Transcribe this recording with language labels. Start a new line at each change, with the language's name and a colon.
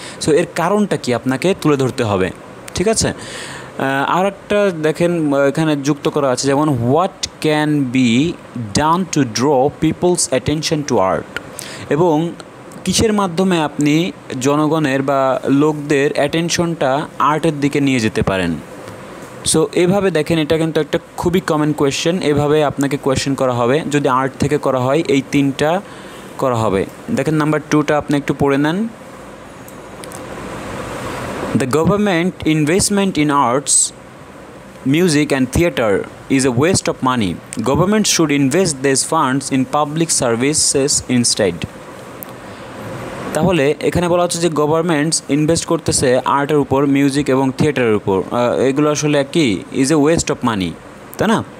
Bangla: So এর কারণটা কি আপনাকে তুলে ধরতে হবে. ঠিক আছে? আর একটা দেখেন এখানে যুক্ত করা আছে, যেমন
English: what can be done to draw people's attention to art,
Bangla: এবং কিসের মাধ্যমে আপনি জনগণের বা লোকদের অ্যাটেনশনটা আর্টের দিকে নিয়ে যেতে পারেন. সো এভাবে দেখেন, এটা কিন্তু একটা খুবই কমন কোয়েশ্চেন, এভাবে আপনাকে কোয়েশ্চেন করা হবে যদি আর্ট থেকে করা হয়, এই তিনটা করা হবে. দেখেন নাম্বার 2টা আপনি একটু পড়ে নেন.
English: The government investment in arts, music and theater is a waste of money. Government should invest these funds in public services instead.
Bangla: তাহলে এখানে বলা হচ্ছে যে গভর্নমেন্ট ইনভেস্ট করতেছে আর্টের উপর, মিউজিক এবং থিয়েটারের উপর, এগুলো আসলে কি
English: is a waste of money,
Bangla: তাই না?